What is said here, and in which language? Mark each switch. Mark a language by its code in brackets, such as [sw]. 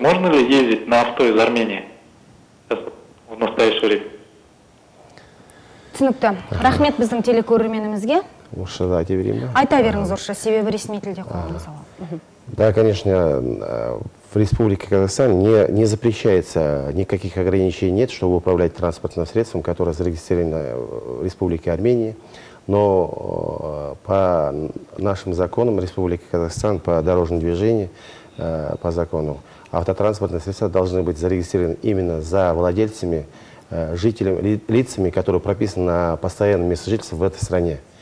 [ru] Можно ли ездить на авто из Армении сейчас, в настоящее время? [kk] Түсінікті. Рахмет біздің телекөрерменімізге. Орысша да айта берейін бе? Айта беріңіз орысша, себебі ресми тілде қойдым мысалы. [ru] Да, конечно, в Республике Казахстан не запрещается, никаких ограничений нет, чтобы управлять транспортным средством, которое зарегистрировано в Республике Армении. Но по нашим законам Республики Казахстан, по дорожному движению, по закону, автотранспортные средства должны быть зарегистрированы именно за владельцами, жителями, лицами, которые прописаны на постоянном месте жительства в этой стране.